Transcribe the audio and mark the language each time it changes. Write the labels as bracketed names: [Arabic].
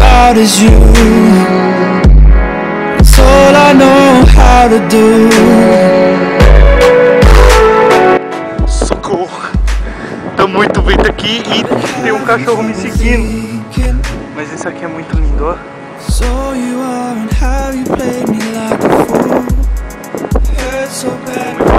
[English] Is you, it's all I know how to do. [Portuguese] Socorro, tá muito vento aqui e tem um cachorro me seguindo. Mas isso aqui é muito lindo, ó. [English] So you are and how you play me like a fool. Hurt so bad.